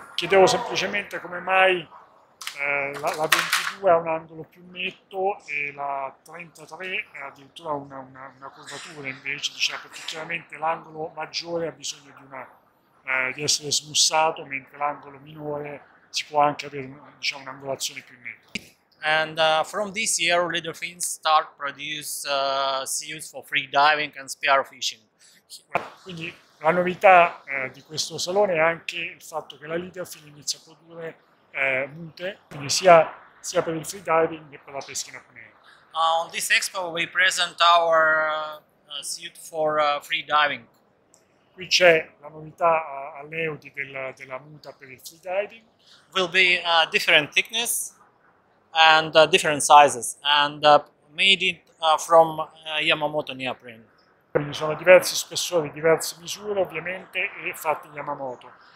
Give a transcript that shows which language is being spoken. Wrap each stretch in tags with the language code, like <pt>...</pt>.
<it>Chiedevo semplicemente come mai la 22 ha un angolo più netto e la 33 è addirittura una curvatura invece, diciamo, perché chiaramente l'angolo maggiore ha bisogno di essere smussato, mentre l'angolo minore si può anche avere, diciamo, un'angolazione più netta.</it> <en>And from this year Leaderfins start produce suits for free diving and spear fishing.</en> <it>Quindi la novità di questo salone è anche il fatto che la Leaderfins inizia a produrre mute, quindi sia per il free diving che per la pesca in apnea.</it> <en>On this expo we present our suit for free diving.</en> <it>Qui c'è la novità all'Eudi della muta per il free diving.</it> <en>Will be a different thickness. and different sizes, and made it from Yamamoto neoprene.</en> <it>Quindi sono diversi spessori, diverse misure ovviamente, e fatti in Yamamoto.</it>